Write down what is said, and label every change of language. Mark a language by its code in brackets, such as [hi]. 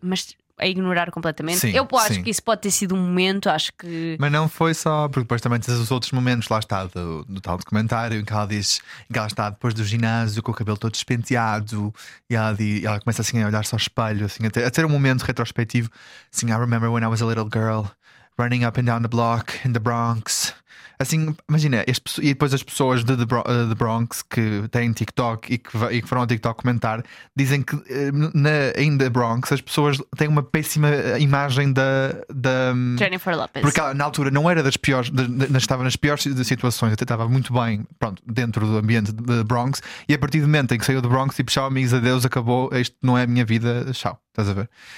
[pt] Mas a ignorar completamente. Sim, eu acho que isso pode ter sido um momento, acho que. Mas não foi só, porque depois também tens os outros momentos, lá está, do tal documentário, em que ela diz que ela está depois do ginásio com o cabelo todo despenteado, e ela começa assim a olhar-se ao espelho, assim, a ter um momento retrospectivo. [en] Assim, I remember when I was a little girl, running up and down the block in the Bronx. [pt] Assim, imagina, e depois as pessoas de Bronx que têm TikTok e que foram ao TikTok comentar, dizem que em The Bronx as pessoas têm uma péssima imagem da Jennifer Lopez. Porque ela, na altura, não era das piores, estava nas piores situações, até estava muito bem, pronto, dentro do ambiente de Bronx, e a partir do momento em que saiu de Bronx, tipo, tchau amigos, adeus, acabou, isto não é a minha vida, tchau, estás a ver?